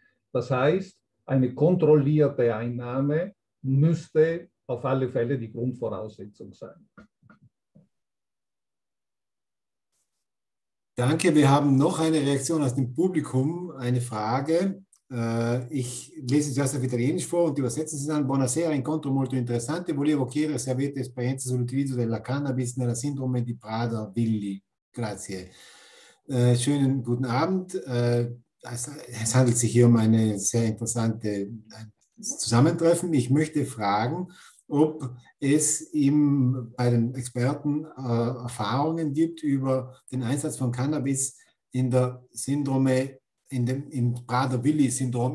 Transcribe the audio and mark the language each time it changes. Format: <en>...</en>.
<de>Das heißt, eine kontrollierte Einnahme müsste auf alle Fälle die Grundvoraussetzung sein. Danke, wir haben noch eine Reaktion aus dem Publikum, eine Frage. Ich lese es erst auf Italienisch vor und übersetze es dann.</de> <it>Buonasera, incontro molto interessante. Volevo chiedere se avete esperienze sull'utilizzo della Cannabis nella sindrome di Prader-Willi. Grazie.</it> <de>Schönen guten Abend. Es handelt sich hier um eine sehr interessante Zusammentreffen. Ich möchte fragen, ob es bei den Experten Erfahrungen gibt über den Einsatz von Cannabis in der Syndrome, im Prader-Willi-Syndrom.</de>